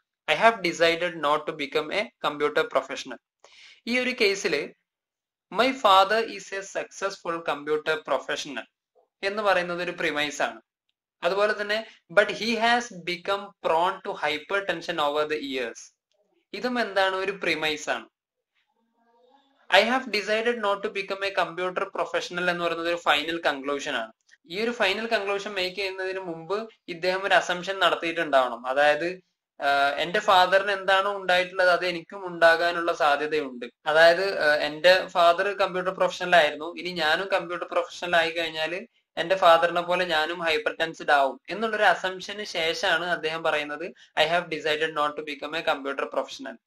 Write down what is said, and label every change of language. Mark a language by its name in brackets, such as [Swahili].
[English] I have decide not to become a computer professional. [Malayalam] ഈ ഒരു കേസിൽ [English] my father is a successful computer professional [Malayalam] എന്ന് പറയുന്നത് ഒരു പ്രിമൈസ് ആണ്. അതുപോലെ തന്നെ [English] but he has become prone to hyper tension over the years, [Malayalam] ഇതും എന്താണ്, ഒരു പ്രിമൈസ് ആണ്. [English] I have decided not to become a computer professional [Malayalam] എന്ന് പറയുന്നത് ഒരു ഫൈനൽ കൺക്ലൂഷൻ ആണ്. ഈ ഒരു ഫൈനൽ കൺക്ലൂഷൻ മേക്ക് ചെയ്യുന്നതിന് മുമ്പ് ഇദ്ദേഹം ഒരു അസംഷൻ നടത്തിയിട്ടുണ്ടാവണം. അതായത് എന്റെ ഫാദറിന് എന്താണോ ഉണ്ടായിട്ടുള്ളത് അത് എനിക്കും ഉണ്ടാകാനുള്ള സാധ്യതയുണ്ട്. അതായത് എന്റെ ഫാദർ കമ്പ്യൂട്ടർ പ്രൊഫഷണൽ ആയിരുന്നു, ഇനി ഞാനും കമ്പ്യൂട്ടർ പ്രൊഫഷണൽ ആയി കഴിഞ്ഞാൽ എന്റെ ഫാദറിനെ പോലെ ഞാനും ഹൈപ്പർ ടെൻസ്ഡ് ആവും എന്നുള്ളൊരു അസംഷന് ശേഷമാണ് അദ്ദേഹം പറയുന്നത് [English] I have decide not to become a computer professional.